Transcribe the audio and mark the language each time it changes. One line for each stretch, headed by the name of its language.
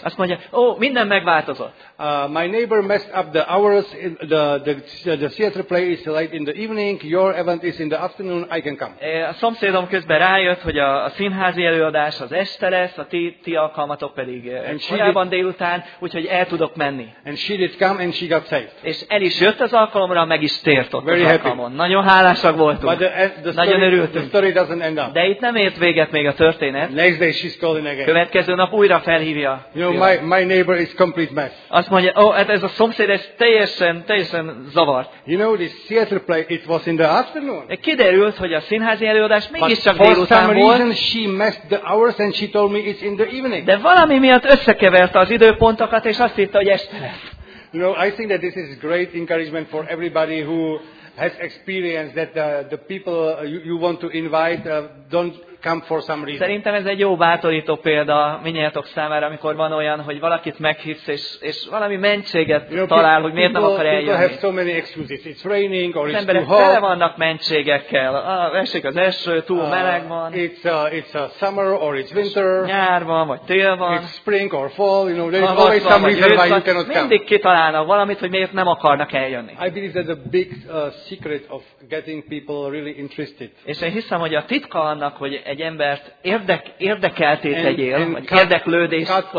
Hungarian: Azt mondja, minden megváltozott.
English: My neighbor messed up the hours. The theater play is late in the evening. Your event is in the afternoon. I can come.
Hungarian: A szomszédom közben rájött, hogy a színházi előadás az este lesz, a ti alkalmatok pedig korábban délután, úgyhogy el tudok menni.
English: And she did come and she got saved.
Hungarian: És el is jött az alkalomra, meg is tért ott az alkalmon. Nagyon hálásak voltunk.
English: But the
Hungarian: nagyon örültünk.
English: The story doesn't end up.
Hungarian: De itt nem ért véget még a történet.
English: Next day she's calling again.
Hungarian: Következő nap újra felhívja.
English: You know, my neighbor is complete mess.
Hungarian: Azt mondja, hát ez a szomszéd teljesen zavart.
English: You know, this theater play, it was in the afternoon.
Hungarian: Kiderült, hogy a színházi előadás mégiscsak délután volt.
English: For some reason she messed the hours and she told me it's in the evening.
Hungarian: De valami miatt összekeverte az időpontokat és azt hitte, hogy este lesz.
English: You know, I think that this is great encouragement for everybody who has experienced that the people you want to invite don't come for some reason.
Hungarian: Szerintem ez egy jó bátorító példa minnyájatok számára, amikor van olyan, hogy valakit meghívsz, és valami mentséget talál, hogy miért nem akar eljönni.
English: People have so many excuses. It's raining or it's too hot.
Hungarian: Tele vannak mentségekkel. Esik az eső, túl meleg van.
English: It's a summer or it's winter.
Hungarian: Nyár van, vagy tél van.
English: It's spring or fall. You know, there is always some reason why you cannot come.
Hungarian: Mindig kitalálnak valamit, hogy miért nem akarnak eljönni.
English: I believe that the big secret of getting people really interested.
Hungarian: És én hiszem, hogy a titka annak, hogy egy embert érdekelté tegyél, vagy érdeklődést